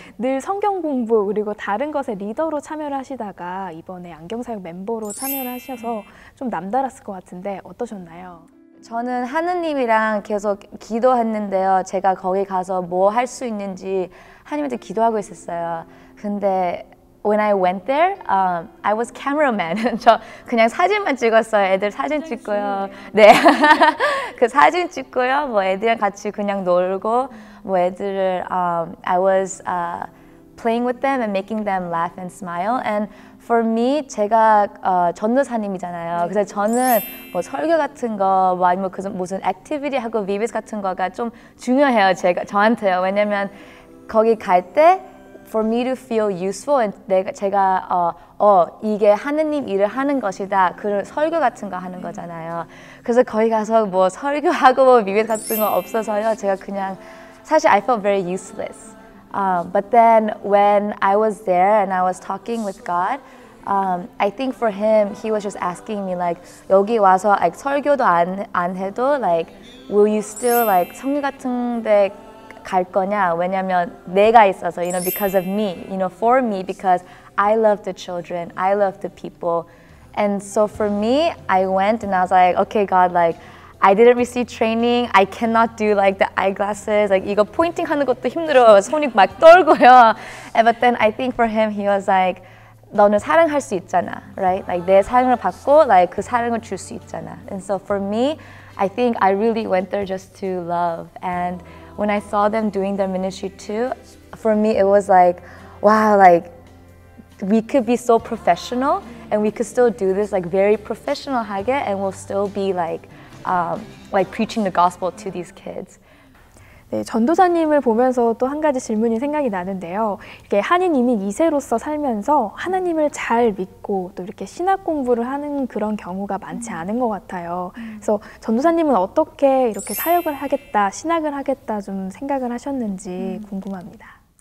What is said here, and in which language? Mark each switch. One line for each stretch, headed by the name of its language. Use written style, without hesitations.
Korean: 늘 성경 공부 그리고 다른 것에 리더로 참여를 하시다가 이번에 안경 사역 멤버로 참여를 하셔서 좀 남달랐을 것 같은데 어떠셨나요? 저는 하느님이랑 계속 기도했는데요. 제가 거기 가서 뭐 할 수 있는지 하느님한테 기도하고 있었어요.
English: 근데 when I went there, I was cameraman.
Korean: 저 그냥 사진만 찍었어요. 애들 사진 찍고요. 네. 그 사진 찍고요. 뭐 애들이랑 같이 그냥 놀고 뭐 애들을
English: I was playing with them and making them laugh and smile. And for me,
Korean: 제가 전도사님이잖아요. 그래서 저는 뭐 설교 같은 거, 뭐 아니면 그 무슨 activity 하고 VBS 같은 거가 좀 중요해요. 제가 저한테요. 왜냐면 거기 갈 때
English: for me to feel useful and
Korean: 제가 이게 하느님 일을 하는 것이다. 그런 설교 같은 거 하는 거잖아요. 그래서 거기 가서 뭐 설교하고 뭐 VBS 같은 거 없어서요. 제가 그냥 사실
English: I felt very useless. But then when I was there and I was talking with God, I think for him, he was just asking me like,
Korean: 여기 와서
English: like,
Korean: 설교도 안 해도
English: like, will you still like,
Korean: 성교 같은 데 갈 거냐? 왜냐면 내가 있어서,
English: you know, because of me, you know, for me, because I love the children, I love the people. And so for me, I went and I was like, okay, God, like, I didn't receive training. I cannot do like the eyeglasses. Like,
Korean: 이거 포인팅 하는 것도 힘들어. 손이 막 떨고요.
English: And, but then I think for him, he was like,
Korean: 너는 사랑할 수 있잖아,
English: right?
Korean: Like, 내 사랑을 받고, like, 그 사랑을 줄 수 있잖아.
English: And so for me, I think I really went there just to love. And when I saw them doing their ministry too, for me, it was like, wow, like, we could be so professional and we could still do this like very professional 하게 and we'll still be like preaching the gospel to these kids.
Korean: 네, 전도사님을 보면서 또 한 가지 질문이 생각이 나는데요. 이게 한인 이민 2세로서 살면서 하나님을 잘 믿고 또 이렇게 신학 공부를 하는 그런 경우가 많지 않은 것 같아요. 그래서 전도사님은 어떻게 이렇게 사역을 하겠다, 신학을 하겠다 좀 생각을 하셨는지 궁금합니다.